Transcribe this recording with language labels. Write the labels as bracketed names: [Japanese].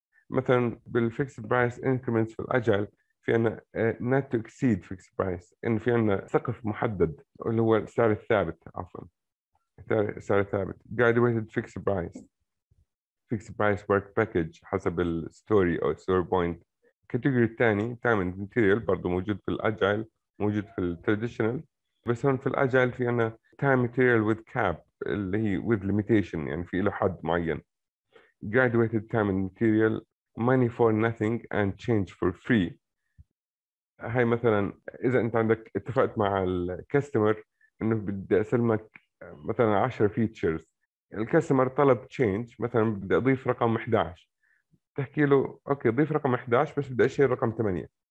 [Arabic] مثلا بال [English] fixed price increments [Arabic] في الاجايل في عندنا [English] not to exceed fixed price، [Arabic] ان في عندنا سقف محدد اللي هو السعر الثابت، عفوا سعر ثابت، [English] graduated fixed price، fixed price work package حسب ال story أو story point. [Arabic] category الثاني [English] time and material، [Arabic] برضو موجود في الأجايل، موجود في الترديشنال، بس هون في الأجايل في أنا [English] time material with cap [Arabic] اللي هي [English] with limitation، [Arabic] يعني في له حد معين. [English] graduated time and material money for nothing and change for free. [Arabic] هاي مثلا إذا أنت عندك اتفقت مع الكاستمر إنه بدي أسلمك مثلا 10 فيتشرز، الكاستمر طلب تشينج، مثلا بدي اضيف رقم 11، تحكي له اوكي ضيف رقم 11 بس بدي اشيل رقم 8.